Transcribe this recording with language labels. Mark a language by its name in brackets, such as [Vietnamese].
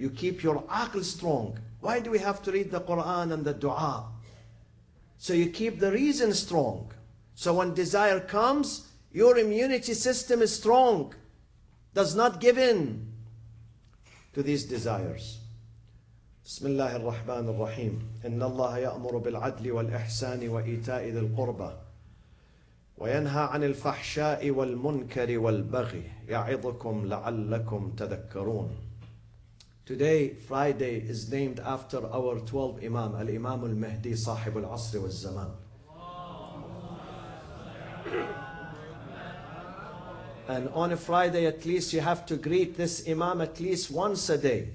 [English] You keep your aql strong. Why do we have to read the Quran and the dua? So you keep the reason strong. So when desire comes, your immunity system is strong. Does not give in to these desires. [Arabic] بسم الله الرحمن الرحيم إن الله يأمر بالعدل والإحسان وإيتاء ذي القربى وينهى عن الفحشاء والمنكر والبغي يعظكم لعلكم تذكرون. [English] Today, Friday, is named after our 12 Imam, Al-Imam Al-Mahdi, [Arabic] صاحب العصر والزمان. [English] And on a Friday, at least, you have to greet this Imam at least once a day.